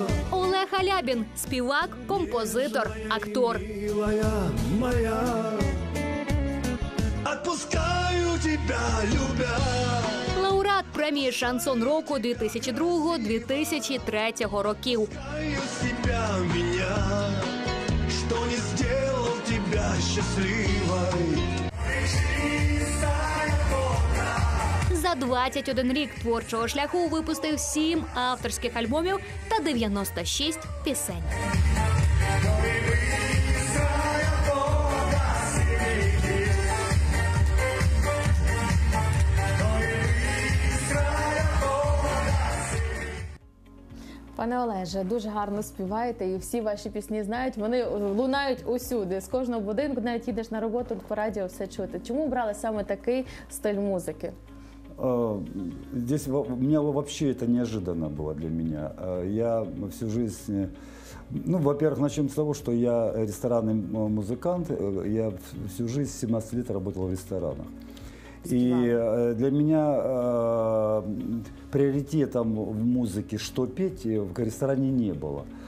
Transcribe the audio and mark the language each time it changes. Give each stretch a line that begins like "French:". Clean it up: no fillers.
Ukrainian: Олег Алябін, співак, композитор, актор.
Russian: Милая моя. Отпускаю тебя, любя.
Ukrainian: Лауреат премії Шансон року 2002-2003 років.
Russian: Себя, меня, что не сделал тебя счастливой.
Ukrainian: За 21 рік творчого шляху випустив 7 авторських альбомів та 96 пісень. Пане Олеже, дуже гарно співаєте, і всі ваші пісні знають, вони лунають усюди, з кожного будинку, навіть їдеш на роботу, по радіо все чути. Чому брали саме такий стиль музики?
Russian: Здесь у меня вообще это неожиданно было для меня. Я всю жизнь, ну, во-первых, начнем с того, что я ресторанный музыкант. Я всю жизнь, 17 лет работал в ресторанах. И для меня приоритетом в музыке, что петь, в ресторане не было.